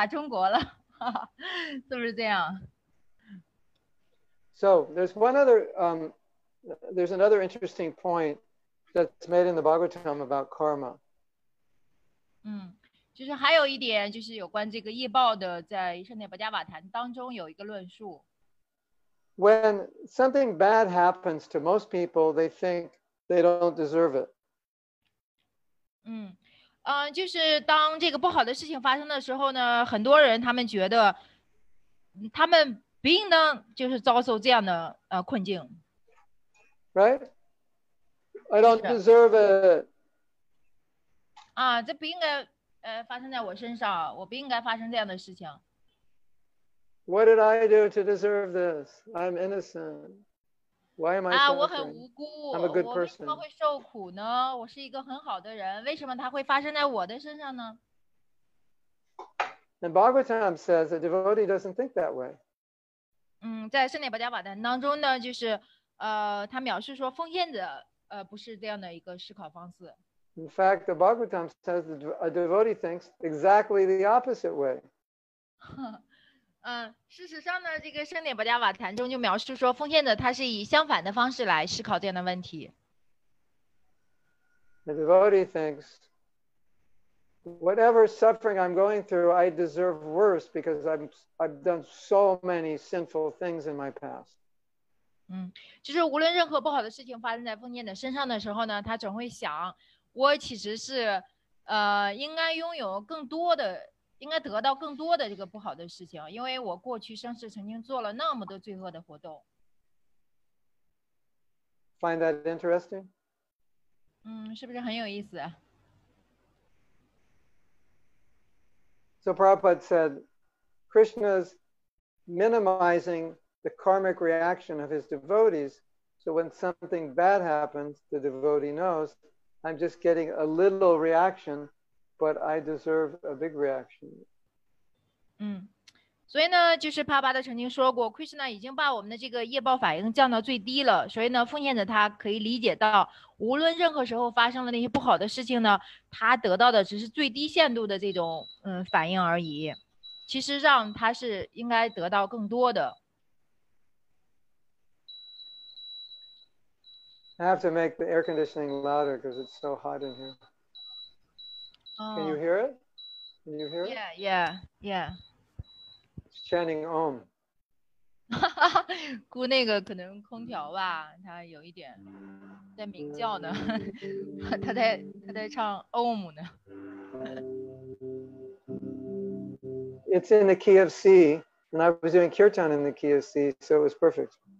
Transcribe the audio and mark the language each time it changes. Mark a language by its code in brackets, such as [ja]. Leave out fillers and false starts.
[zh] 我们小时候的时候呢，会就是说，想象着我们在那个地上就是挖洞，因为我们觉得这个中国就在美国的地面，如果我们挖的足够深的话，我们就直接可以到达中国了，是不是这样？ [en] So there's one other, there's another interesting point that's made in the Bhagavatam about karma. [zh] 就是还有一点就是有关这个译报的，在圣内巴加瓦坛当中有一个论述。 [en] When something bad happens to most people, they think they don't deserve it. [zh] 嗯，就是当这个不好的事情发生的时候呢，很多人他们觉得他们不应当就是遭受这样的困境。 [en] Right? I don't deserve it. [zh] 啊，这不应该发生在我身上，我不应该发生这样的事情。 [en] What did I do to deserve this? I'm innocent. Why am I suffering? [zh] 我很无辜。 [en] I'm a good person. [zh] 我为什么会受苦呢？我是一个很好的人，为什么它会发生在我的身上呢？ [en] And Bhagavatam says a devotee doesn't think that way. [zh] 在圣内巴加瓦坛当中呢，就是他描述说奉献者不是这样的一个思考方式。 [en] In fact, the Bhagavatam says a devotee thinks exactly the opposite way. [zh] 事实上呢，这个圣内巴加瓦坛中就描述说，奉献者他是以相反的方式来思考这样的问题。 [en] The devotee thinks, whatever suffering I'm going through, I deserve worse because I've done so many sinful things in my past. [zh] 就是无论任何不好的事情发生在奉献者身上的时候呢，他总会想，我其实是应该拥有更多的，应该得到更多的这个不好的事情，因为我过去生世曾经做了那么多罪恶的活动。 [en] Find that interesting? [zh] 是不是很有意思？ [en] So Prabhupada said, Krishna's minimizing the karmic reaction of his devotees, so when something bad happens, the devotee knows, I'm just getting a little reaction, but I deserve a big reaction. [zh] 所以呢，就是帕巴的曾经说过， Krishna 已经把我们的这个业报反应降到最低了，所以呢，奉献者他可以理解到，无论任何时候发生了那些不好的事情呢，他得到的只是最低限度的这种反应而已，其实上他是应该得到更多的。 [en] I have to make the air conditioning louder because it's so hot in here. Can you hear it? Can you hear it? Yeah. It's chanting Om. [zh] 估那个可能空调吧，它有一点在鸣叫呢，它在唱 Om 呢。 [en] It's in the key of C, and I was doing kirtan in the key of C, so it was perfect.